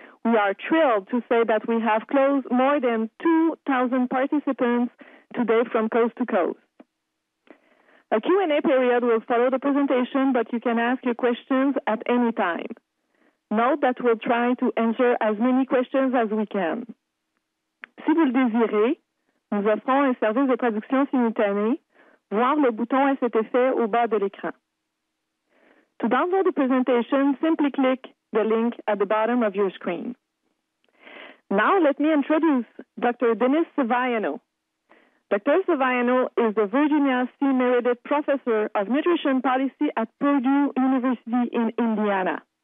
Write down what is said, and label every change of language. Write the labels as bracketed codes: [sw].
[en] We are thrilled to say that we have close more than 2,000 participants today from coast to coast. A Q&A period will follow the presentation, but you can ask your questions at any time. Note that we'll try to answer as many questions as we can. [fr] Si vous le désirez, nous offrons un service de traduction simultanée, voir le bouton à cet effet au bas de l'écran. [en] To download the presentation, simply click the link at the bottom of your screen. Now, let me introduce Dr. Dennis Savaiano. Dr. Savaiano is the Virginia C. Meredith Professor of Nutrition Policy at Purdue University in Indiana.